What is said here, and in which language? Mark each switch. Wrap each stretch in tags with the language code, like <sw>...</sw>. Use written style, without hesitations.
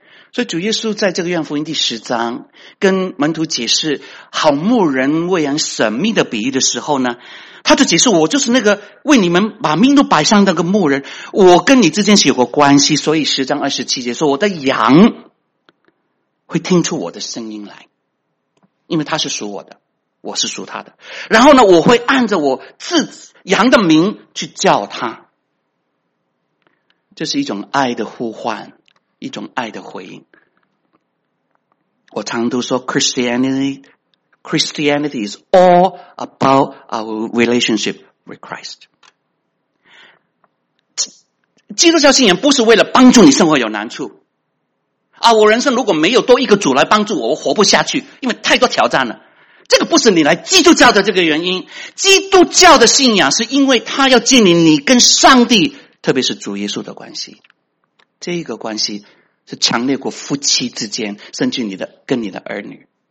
<zh>所以主耶稣在这个约翰福音第十章跟门徒解释好牧人喂养神秘的比喻的时候呢，他就解释我就是那个为你们把命都摆上那个牧人，我跟你之间是有个关系，所以10章27节说我的羊会听出我的声音来，因为他是属我的，我是属他的，然后呢我会按着我自羊的名去叫他。这是一种爱的呼唤，一种爱的回应。我常都说</zh> <en>Christianity is all about our relationship with Christ。</en> <zh>基督教信仰不是为了帮助你生活有难处啊，我人生如果没有多一个主来帮助我，我活不下去，因为太多挑战了，这个不是你来基督教的这个原因。基督教的信仰是因为他要建立你跟上帝，特别是主耶稣的关系，这个关系是强烈过夫妻之间，甚至你的跟你的儿女。</zh>